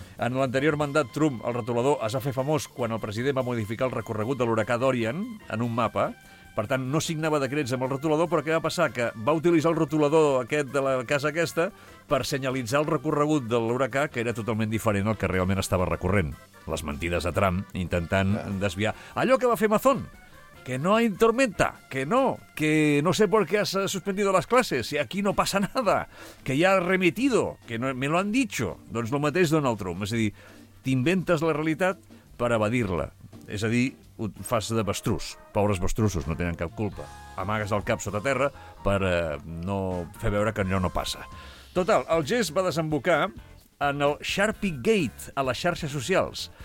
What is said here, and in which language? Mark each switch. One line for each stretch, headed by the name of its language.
Catalan: En l'anterior mandat, Trump, el retolador, es va fer famós quan el president va modificar el recorregut de l'huracà Dorian en un mapa. Per tant, no signava decrets amb el retolador, però què va passar? Que va utilitzar el retolador aquest de la casa aquesta per senyalitzar el recorregut de l'huracà, que era totalment diferent al que realment estava recorrent. Les mentides de Trump, intentant desviar. Allò que va fer Amazon,
Spanish: que no hay tormenta, que no sé por qué has suspendido las clases, si aquí no pasa nada, que ya ha remitido, que no, me lo han dicho.
Catalan: Doncs el mateix Donald Trump, és a dir, t'inventes la realitat per evadir-la. És a dir, ho fas de avestruç. Pobres avestruços, no tenen cap culpa. Amagues el cap sota terra per no fer veure que allò no passa. Total, el gest va desembocar en el Sharpie Gate a les xarxes socials.